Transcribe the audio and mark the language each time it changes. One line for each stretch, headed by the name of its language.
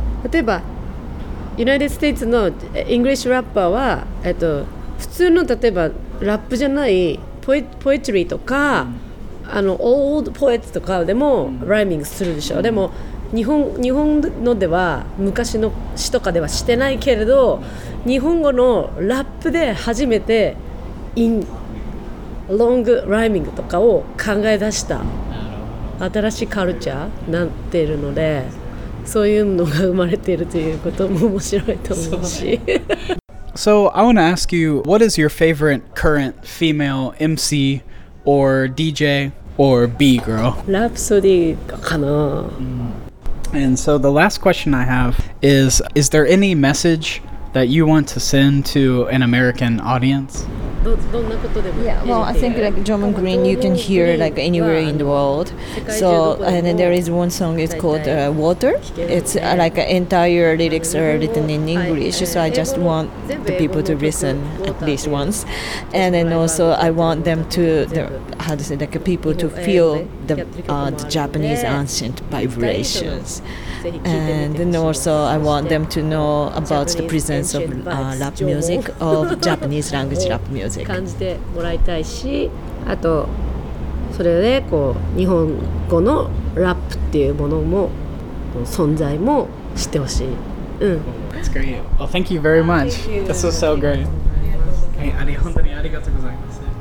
Japanese: 例えばユナイテッドステイツのイングリッシュラッパーは、普通の例えばラップじゃないポエトリーとか、あのオールドポエツとかでもライミングするでしょ、でも日本のでは昔の詩とかではしてないけれど、日本語のラップで初めてインロングライミングとかを考え出した新しいカルチャーになっているので、そういうのが生まれているということも面白いと思うし。
English: So I want to ask you, what is your favorite current female MC or DJ or B-girl?
Japanese: Rhapsody かな。
English: And so the last question I have is there any message that you want to send to an American audience? Yeah, well, I think like German Green, you can hear like anywhere in the world. So, and then there is one song, it's called Water. It's like entire lyrics are written in English, so I just want the people to listen at least once. And then also I want them to, how to say, like people to feel the Japanese ancient vibrations. And then also I want them to know about the presence of rap music, of Japanese language rap music.
Japanese: 感じてもらいたいし、あとそれでこう日本語のラップっていうものも存在も知ってほしい。うん。
English: That's great. Well, thank you very much. This was so great.
Japanese: 本当にありがとうございます。